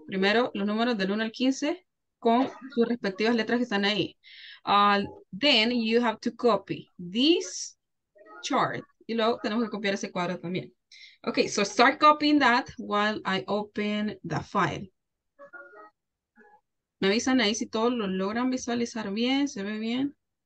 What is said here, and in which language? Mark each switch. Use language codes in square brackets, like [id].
[es] Primero los números del 1 al 15 con sus respectivas letras que están ahí. [en] Then you have to copy this chart. [es] Y luego tenemos que copiar ese cuadro también. [en] Okay, so start copying that while I open the file. [es] Me avisan ahí si todos lo logran visualizar bien, se ve bien.